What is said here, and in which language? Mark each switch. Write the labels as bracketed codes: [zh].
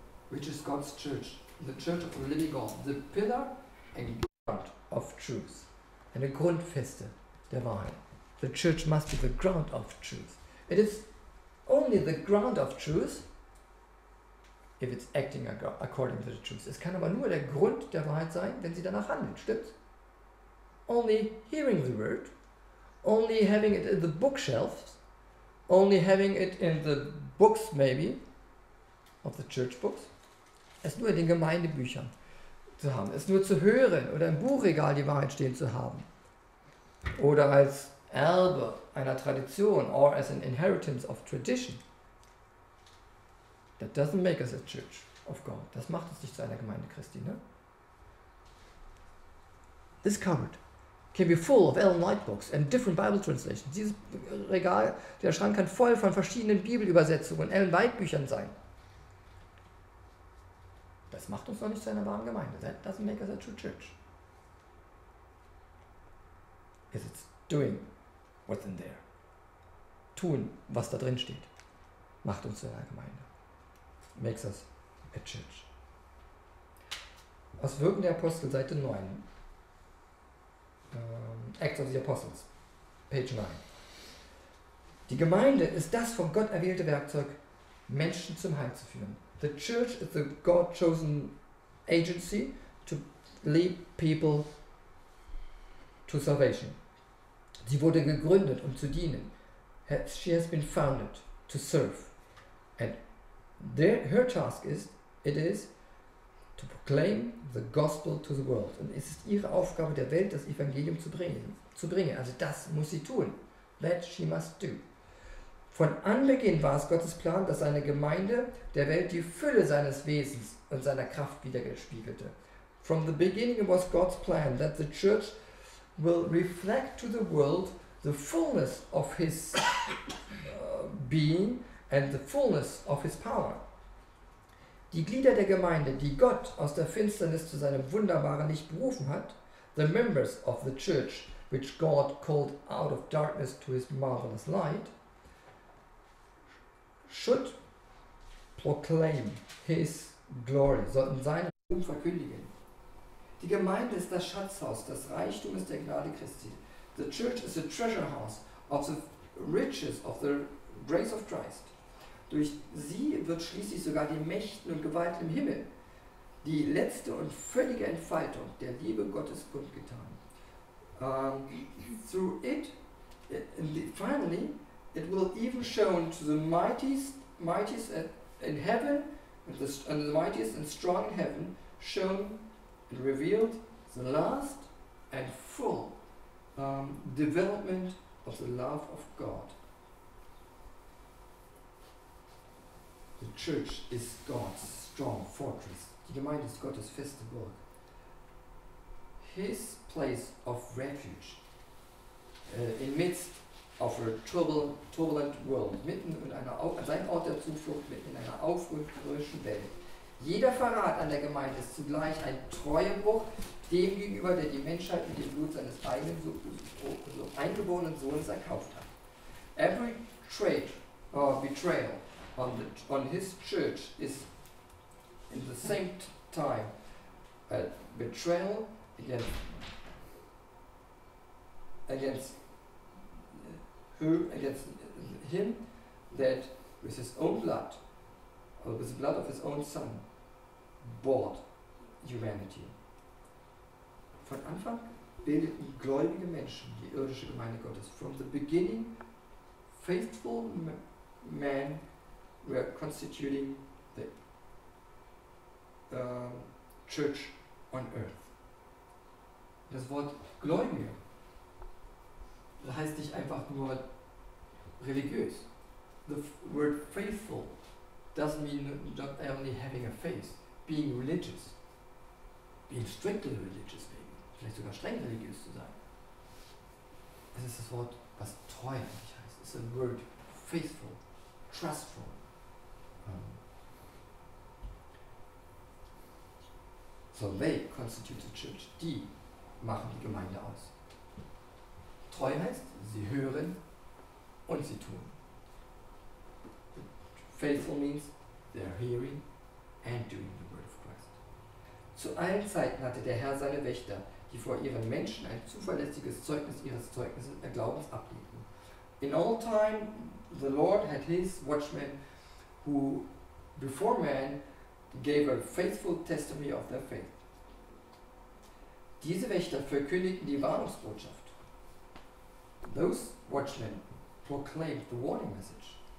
[en] Which is God's church, the church of the living God, the pillar and ground of truth, and the [de] Grundfeste der Wahrheit. [en] The church must be the ground of truth. It is only the ground of truth, if it's acting according to the truth. [de] Es kann aber nur der Grund der Wahrheit sein, wenn sie danach handelt, stimmt's? [en] Only hearing the word, only having it in the bookshelves, only having it in the books maybe, of the church books, [de] es nur in den Gemeindebüchern zu haben, es nur zu hören oder im Buchregal die Wahrheit stehen zu haben oder als Erbe einer Tradition [en] or as an inheritance of tradition. That doesn't make us a church of God. [de] Das macht uns nicht zu einer Gemeinde Christi, ne? [en] This cupboard can be full of Ellen White books and different Bible translations. [de] Dieses Regal, der Schrank kann voll von verschiedenen Bibelübersetzungen und Ellen White Büchern sein. Das macht uns noch nicht zu einer wahren Gemeinde. [en] That doesn't make us a true church. Because it's doing what's in there. [de] Tun, was da drin steht, macht uns zu einer Gemeinde. [en] Makes us a church. [de] Aus Wirken der Apostel, Seite 9. [en] Acts of the Apostles, page 9. [de] Die Gemeinde ist das von Gott erwählte Werkzeug, Menschen zum Heil zu führen. [en] The church is the God-chosen agency to lead people to salvation. [de] Sie wurde gegründet, um zu dienen. [en] She has been founded to serve. And her task is, it is, to proclaim the gospel to the world. [de] Und es ist ihre Aufgabe der Welt, das Evangelium zu bringen. Also das muss sie tun. [en] That she must do. [de] Von Anbeginn war es Gottes Plan, dass seine Gemeinde der Welt die Fülle seines Wesens und seiner Kraft widergespiegelte. [en] From the beginning was God's plan that the church will reflect to the world the fullness of his being and the fullness of his power. [de] Die Glieder der Gemeinde, die Gott aus der Finsternis zu seinem wunderbaren Licht berufen hat, [en] the members of the church which God called out of darkness to his marvelous light, should proclaim his glory, [de] sollten seinen Ruhm verkündigen. Die Gemeinde ist das Schatzhaus, das Reichtum ist der Gnade Christi. [en] The church is the treasure house of the riches of the grace of Christ. [de] Durch sie wird schließlich sogar die Mächten und Gewalt im Himmel, die letzte und völlige Entfaltung der Liebe Gottes kundgetan. [en] Through it, finally, it will even show to the mightiest in heaven, and the mightiest and strong in heaven, shown and revealed the last and full development of the love of God. The church is God's strong fortress. [de] Die Gemeinde ist Gottes feste Burg. [en] His place of refuge. In midst of a turbulent world. [de] Sein Ort der Zuflucht mitten in einer aufrührischen Welt. Jeder Verrat an der Gemeinde ist zugleich ein Treuebruch dem gegenüber, der die Menschheit mit dem Blut seines eigenen eingeborenen Sohnes erkauft hat. [en] Every trade or betrayal on his church is in the same time a betrayal against him that with his own blood or with the blood of his own son bought humanity. [de] Von Anfang bildeten gläubige Menschen die irdische Gemeinde Gottes. [en] From the beginning faithful men were constituting the church on earth. [de] Das Wort Gläubige heißt nicht einfach nur religiös. [en] the word faithful doesn't mean not only having a faith, being religious, being strictly religious, maybe, [de] vielleicht sogar streng religiös zu sein. Es ist das Wort, was treu eigentlich heißt. Es ist ein Wort, [en] faithful, trustful. So they constitute the church. [de] Die machen die Gemeinde aus. Treu heißt, sie hören und sie tun. [en] Faithful means they are hearing and doing the word of Christ. [de] Zu allen Zeiten hatte der Herr seine Wächter, die vor ihren Menschen ein zuverlässiges Zeugnis ihres Zeugnisses der Glaubens ablegten. [en] In all time the Lord had his watchmen who before man gave a faithful testimony of their faith. [de] Diese Wächter verkündigten die Warnungsbotschaft. [en] Those watchmen proclaimed the warning message.